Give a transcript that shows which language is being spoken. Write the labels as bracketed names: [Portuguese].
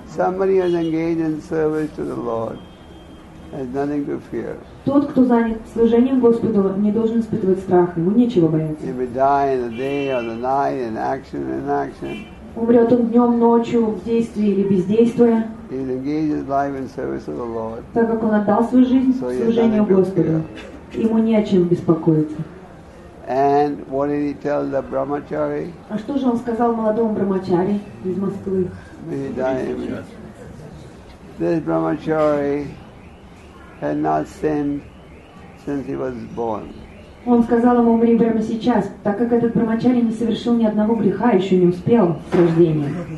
[English] Somebody is engaged in service to the Lord. Has nothing to fear. [Russian] Тот, кто занят служением Господу, не должен испытывать страх, ему нечего бояться. [English] He may die in the day or the night, in action or inaction. [Russian] Умрет он днем, ночью, в действии или бездействуя. [English] He has engaged his life in service of the Lord. [Russian] Так как он отдал свою жизнь служению Господу, ему не о чем беспокоиться. [English] And what did he tell the brahmachari? [Russian] А что же он сказал молодому брахмачари из Москвы? [English] May he die in this brahmachari. Had not sinned since he was born. [Russian] Он сказал ему: умри прямо сейчас, так как этот брахмачари не совершил ни одного греха, еще не успел с рождения.